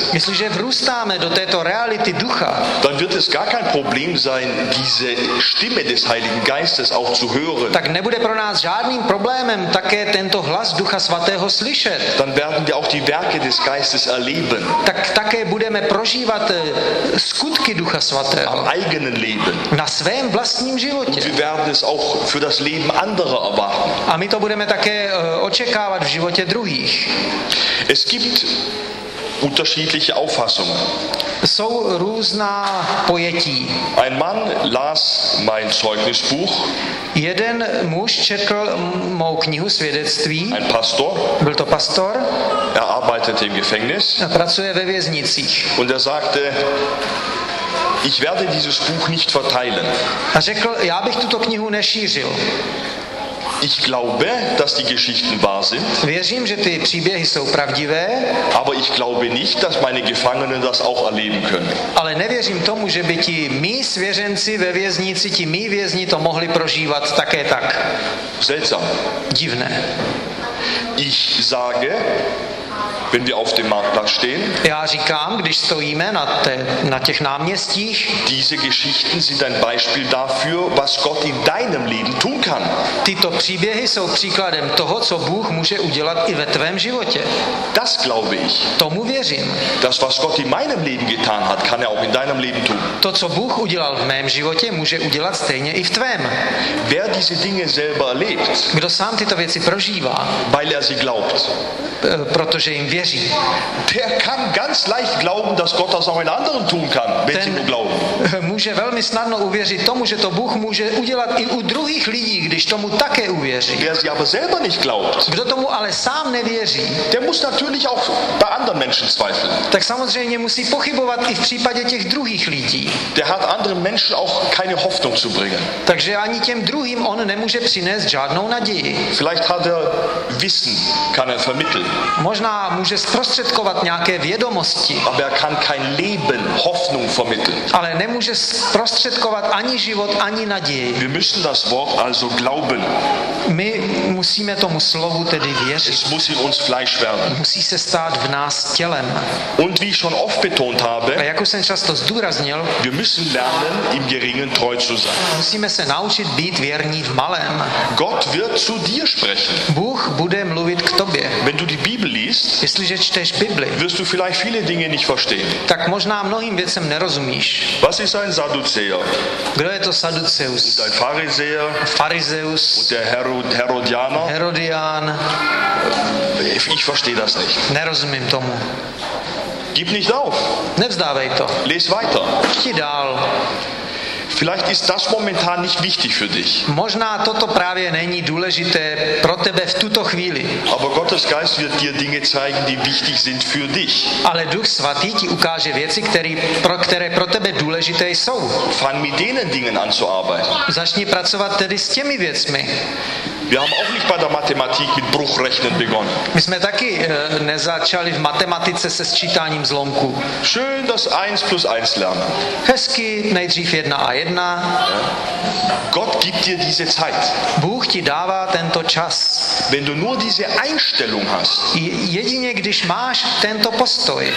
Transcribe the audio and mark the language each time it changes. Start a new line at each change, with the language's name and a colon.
Czech: Jestliže vrůstáme do této reality ducha.
German: Dann wird es gar kein Problem sein, diese Stimme des Heiligen Geistes auch zu hören.
Czech: Tak nebude pro nás žádným problémem také tento hlas Ducha Svatého slyšet.
German: Dann werden wir auch die Werke des Geistes erleben.
Czech: Tak také budeme prožívat skutky Ducha Svatého.
German: Am eigenen Leben.
Czech: Na svém vlastním životě.
German: Und wir werden es auch für das Leben anderer erwarten.
Czech: A my to budeme také očekávat v životě druhých.
German: Es gibt unterschiedliche Auffassungen.
Czech: Jsou různá pojetí.
German: Ein Mann las mein Zeugnisbuch.
Czech: Jeden muž četl mou knihu svědectví.
German: Ein Pastor.
Czech: Byl to pastor.
German: Er arbeitet im Gefängnis.
Czech: A pracuje ve věznicích.
German: Und er sagte, ich werde dieses Buch nicht verteilen.
Czech: A řekl, já bych tuto knihu nešířil.
German: Ich glaube, dass die Geschichten wahr sind.
Czech: Věřím, že ty příběhy jsou pravdivé.
German: Aber ich glaube nicht, dass meine Gefangenen das auch erleben können.
Czech: Ale nevěřím tomu, že by ti mí svěřenci ve věznici, ti mí vězni to mohli prožívat také tak.
German: Seltsam.
Czech: Divné.
German: Ich sage, wenn wir auf dem Marktplatz stehen.
Czech: Já říkám, když stojíme na těch náměstích.
German: Diese Geschichten sind ein Beispiel dafür, was Gott in deinem Leben tun kann.
Czech: Tyto příběhy jsou příkladem toho, co Bůh může udělat i ve tvém životě.
German: Das glaube ich.
Czech: Tomu věřím.
German: Das, was Gott in meinem Leben getan hat, kann auch in deinem Leben tun.
Czech: To, co Bůh udělal v mém životě, může udělat stejně i v tvém.
German: Wer diese Dinge selber erlebt.
Czech: Kdo sám tyto věci prožívá.
German: Weil er sie glaubt.
Czech: Protože jim věří. věří.
German: Der kann ganz leicht glauben, dass Gott das auch in anderen tun kann, wenn sie nur glauben.
Czech: Může velmi snadno uvěřit tomu, že to Bůh může udělat i u druhých lidí, když tomu také uvěří.
German: Wer sie aber selber nicht glaubt.
Czech: Kdo tomu ale sám nevěří.
German: Der muss natürlich auch bei anderen Menschen zweifeln.
Czech: Tak samozřejmě musí pochybovat i v případě těch druhých lidí.
German: Der hat anderen Menschen auch keine Hoffnung zu bringen.
Czech: Takže ani těm druhým on nemůže přinést žádnou naději.
German: Vielleicht hat er Wissen, kann er vermitteln.
Czech: Možná může zprostředkovat nějaké vědomosti.
German: Aber er kann kein Leben, Hoffnung vermitteln.
Czech: Ale nemůže zprostředkovat ani život, ani naději.
German: Wir müssen das Wort also glauben.
Czech: My musíme tomu slovu tedy věřit.
German: Es muss in uns Fleisch werden.
Czech: Musí se stát v nás tělem.
German: Und wie ich schon oft betont habe,
Czech: a jak už jsem často zdůraznil,
German: wir müssen lernen, im Geringen treu zu sein.
Czech: Musíme se naučit být věrní v malém.
German: Gott wird zu dir sprechen.
Czech: Bůh bude mluvit k tobě.
German: Wenn du die Bibel liest,
Czech: jestliže čteš Bibli,
German: wirst du vielleicht viele Dinge nicht verstehen.
Czech: Tak možná mnohým věcem nerozumíš.
German: Was ist ein Sadduzäer?
Czech: Kdo je to Sadduceus?
German: Und ein Pharisäer?
Czech: Pharisäus.
German: Und der Herodianer?
Czech: Herodian.
German: Ich verstehe das nicht.
Czech: Nerozumím tomu.
German: Gib nicht auf.
Czech: Nevzdávej to.
German: Lies weiter.
Czech: Čti dál.
German: Vielleicht ist das momentan nicht wichtig für dich.
Czech: Možná toto právě není důležité pro tebe v tuto chvíli.
German: Aber Gottes Geist wird dir Dinge zeigen, die wichtig sind für dich.
Czech: Ale Duch svatý ti ukáže věci, které pro tebe důležité jsou.
German: Fang mit denen Dingen an zu arbeiten.
Czech: Začni pracovat tedy s těmi věcmi.
German: Wir haben auch nicht bei der Mathematik mit Bruchrechnen begonnen.
Czech: My jsme taky nezačali v matematice se sčítáním zlomků.
German: Schön, dass 1 plus 1 lernen.
Czech: Hezky, nejdřív 1 a 1.
German: Gott gibt dir diese Zeit.
Czech: Bůh ti dává tento čas.
German: Wenn du nur diese Einstellung hast,
Czech: jedině když máš tento postoj,